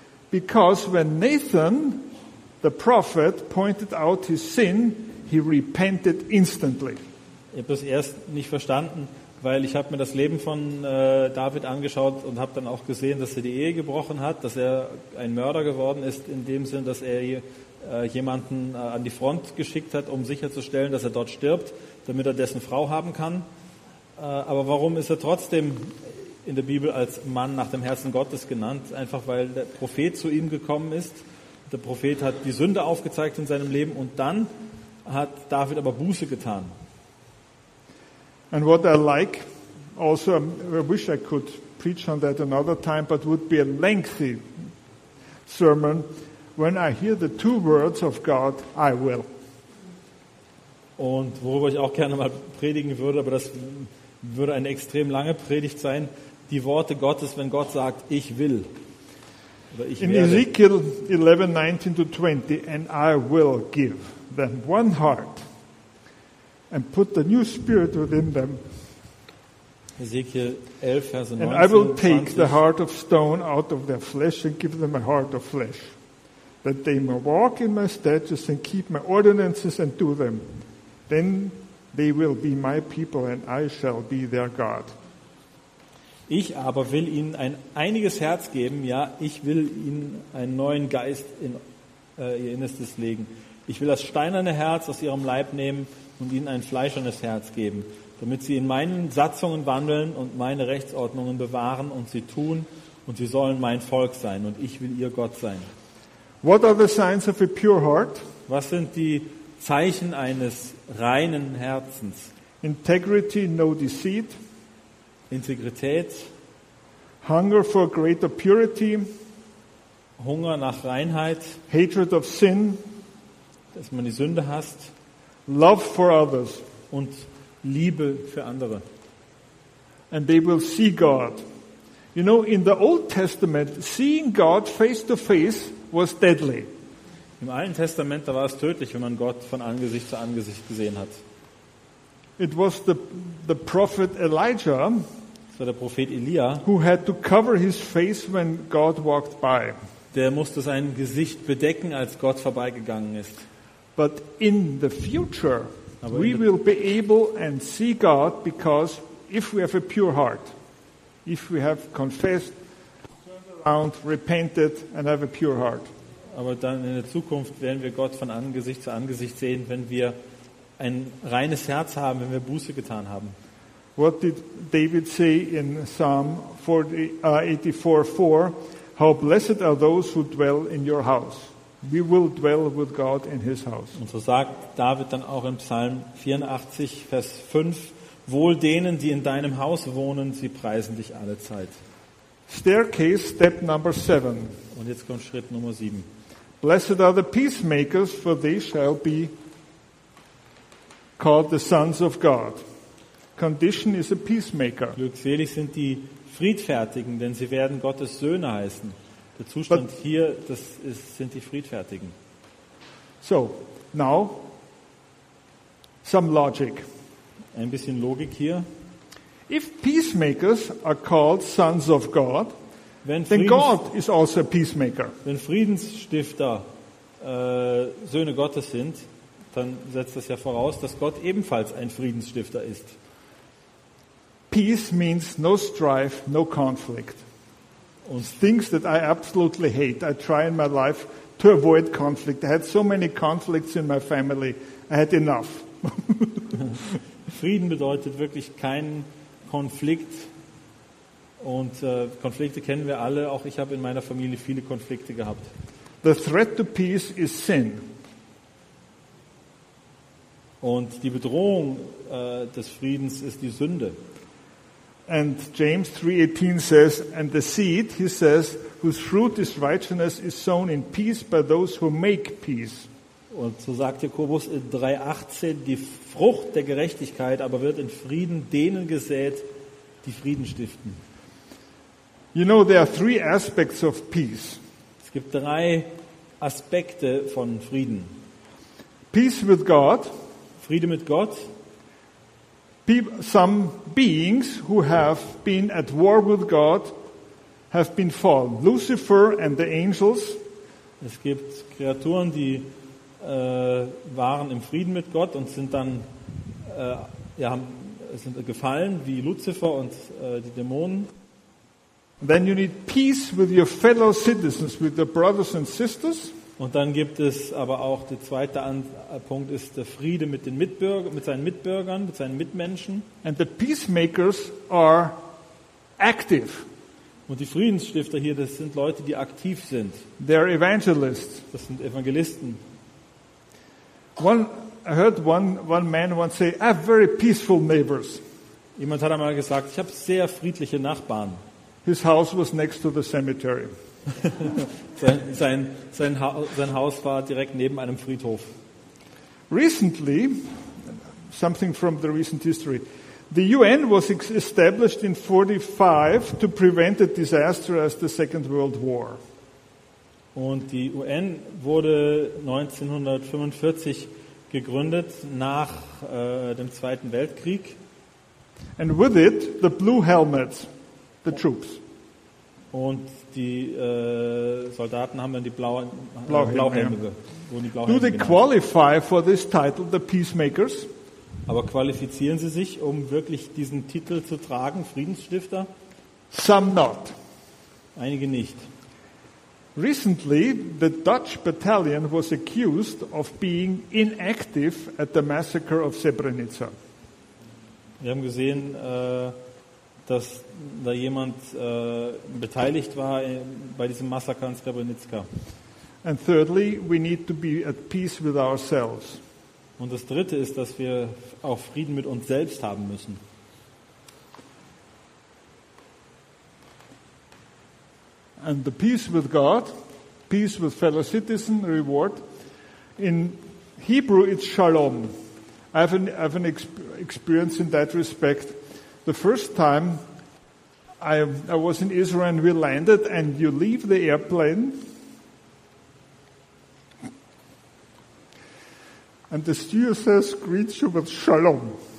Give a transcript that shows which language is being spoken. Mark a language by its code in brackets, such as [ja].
[en] Because when Nathan, the prophet, pointed out his sin, he repented instantly. [de] Ich habe das erst nicht verstanden, weil ich habe mir das Leben von David angeschaut und habe dann auch gesehen, dass er die Ehe gebrochen hat, dass er ein Mörder geworden ist, in dem Sinn, dass er jemanden an die Front geschickt hat, um sicherzustellen, dass er dort stirbt, damit er dessen Frau haben kann. Aber warum ist er trotzdem in der Bibel als Mann nach dem Herzen Gottes genannt? Einfach weil der Prophet zu ihm gekommen ist. Der Prophet hat die Sünde aufgezeigt in seinem Leben und dann hat David aber Buße getan. [en] And what I like, also I wish I could preach on that another time, but would be a lengthy sermon. When I hear the two words of God, I will. [de] Und worüber ich auch gerne mal predigen würde, aber das würde eine extrem lange Predigt sein, die Worte Gottes, wenn Gott sagt, ich will. [en] In Ezekiel 11:19-20, and I will give them one heart and put the new spirit within them. [de] Ezekiel 11, Vers 19, [en] and I will take 20. The heart of stone out of their flesh and give them a heart of flesh, that they may walk in my statutes and keep my ordinances and do them. Then they will be my people and I shall be their God. [de] Ich aber will ihnen ein einiges Herz geben, ja, ich will ihnen einen neuen Geist in ihr Innerstes legen. Ich will das steinerne Herz aus ihrem Leib nehmen und ihnen ein fleischernes Herz geben, damit sie in meinen Satzungen wandeln und meine Rechtsordnungen bewahren und sie tun, und sie sollen mein Volk sein und ich will ihr Gott sein. [en] What are the signs of a pure heart? [de] Was sind die Zeichen eines reinen Herzens? [en] Integrity, no deceit. [de] Integrität, [en] hunger for greater purity, [de] Hunger nach Reinheit, [en] hatred of sin, [de] dass man die Sünde hasst, [en] love for others [de] und Liebe für andere. [en] And they will see God. You know, in the Old Testament, seeing God face to face was deadly. [de] Im Alten Testament, da war es tödlich, wenn man Gott von Angesicht zu Angesicht gesehen hat. [en] It was the prophet Elijah. [de] Das war der Prophet Elia, [en] who had to cover his face when God walked by. [de] Der musste sein Gesicht bedecken, als Gott vorbeigegangen ist. [en] But in the future, we will be able and see God, because if we have a pure heart, if we have confessed, turned around, repented and have a pure heart. [de] Aber dann in der Zukunft werden wir Gott von Angesicht zu Angesicht sehen, wenn wir ein reines Herz haben, wenn wir Buße getan haben. [en] What did David say in Psalm 84:4? How blessed are those who dwell in your house. We will dwell with God in his house. [de] Und so sagt David dann auch im Psalm 84, Vers 5, wohl denen, die in deinem Haus wohnen, sie preisen dich alle Zeit. [en] Staircase, step number 7. [de] Und jetzt kommt Schritt Nummer 7. [en] Blessed are the peacemakers, for they shall be called the sons of God. Condition is a peacemaker. [de] Glückselig sind die Friedfertigen, denn sie werden Gottes Söhne heißen. Der Zustand But, hier, das ist, sind die Friedfertigen. [en] So, now, some logic. [de] Ein bisschen Logik hier. [en] If peacemakers are called sons of God, then God is also a peacemaker. [de] Wenn Friedensstifter Söhne Gottes sind, dann setzt das ja voraus, dass Gott ebenfalls ein Friedensstifter ist. [en] Peace means no strife, no conflict. It's things that I absolutely hate. I try in my life to avoid conflict. I had so many conflicts in my family. I had enough. [de] Frieden bedeutet wirklich keinen Konflikt. Und Konflikte kennen wir alle. Auch ich habe in meiner Familie viele Konflikte gehabt. [en] The threat to peace is sin. [de] Und die Bedrohung des Friedens ist die Sünde. [en] And James 3:18 says, and the seed, he says, whose fruit is righteousness, is sown in peace by those who make peace. [de] Und so sagt Jakobus 3:18, die Frucht der Gerechtigkeit aber wird in Frieden denen gesät, die Frieden stiften. [en] You know, there are three aspects of peace. [de] Es gibt drei Aspekte von Frieden. [en] Peace with God. [de] Friede mit Gott. [en] Some beings who have been at war with God have been fallen. Lucifer and the angels. [de] Es gibt Kreaturen, die waren im Frieden mit Gott und sind dann sind gefallen, wie Lucifer und die Dämonen. [en] Then you need peace with your fellow citizens, with the brothers and sisters. [de] Und dann gibt es aber auch der zweite Punkt ist der Friede mit den Mitbürgern, mit seinen Mitmenschen. [en] And the peacemakers are active. [de] Und die Friedensstifter hier, das sind Leute, die aktiv sind. [en] They are evangelists. [de] Das sind Evangelisten. [en] I heard one man once say, I have very peaceful neighbors. [de] Jemand hat einmal gesagt, ich habe sehr friedliche Nachbarn. [en] His house was next to the cemetery. [de] sein Haus war direkt neben einem Friedhof. [en] Recently, something from the recent history, the UN was established in 1945 to prevent a disaster as the Second World War. [de] Und die UN wurde 1945 gegründet nach dem Zweiten Weltkrieg. [en] And with it, the Blue Helmets, the troops. [de] Und die Soldaten haben dann die Blauhelme. [en] Do they qualify for this title, the peacemakers? [de] Aber qualifizieren sie sich, um wirklich diesen Titel zu tragen, Friedensstifter? [en] Some not. [de] Einige nicht. [en] Recently, the Dutch battalion was accused of being inactive at the massacre of Srebrenica. [de] Wir haben gesehen, dass da jemand beteiligt war bei diesem Massaker in Srebrenica. [en] And thirdly, we need to be at peace with ourselves. [de] Und das Dritte ist, dass wir auch Frieden mit uns selbst haben müssen. [en] And the peace with God, peace with fellow citizen, reward. In Hebrew, it's shalom. I have an experience in that respect. The first time I was in Israel and we landed and you leave the airplane and the stewardess greets you with shalom.